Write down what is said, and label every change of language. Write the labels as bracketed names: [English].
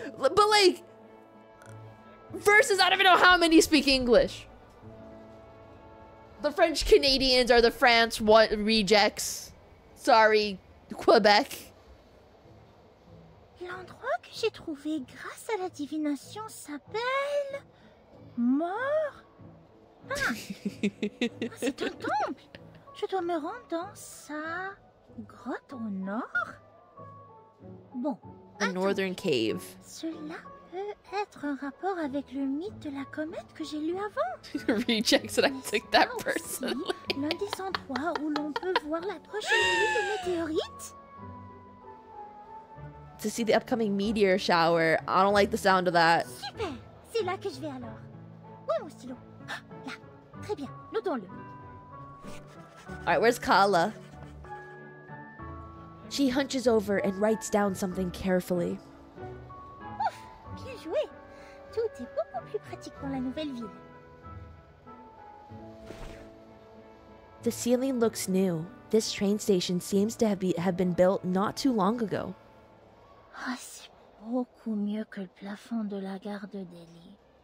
[English] But like, versus I don't even know how many speak English. The French Canadians are the France what rejects. Sorry, Quebec. [French] L'endroit que j'ai trouvé grâce à la divination s'appelle... Mort? Ah! C'est un temple! Je dois me rendre dans sa... grotte au nord? Bon. [English] A northern cave. [French] Cela peut être un rapport avec le mythe de la comète que j'ai lu avant. [English] Rejects it, I took that personally. [French] L'un des endroits où l'on peut voir la prochaine nuit de météorites? [English] To see the upcoming meteor shower. I don't like the sound of that. [French] Super! C'est là que je vais alors. Où est mon stylo? Là. Très bien. Notons-le. [English] All right, where's Kala? She hunches over and writes down something carefully. [French] Ouf, bien joué. Tout est beaucoup plus pratique dans la nouvelle ville. [English] The ceiling looks new. This train station seems to have been built not too long ago. [French] Ah, oh, c'est beaucoup mieux que le plafond de la gare de Delhi.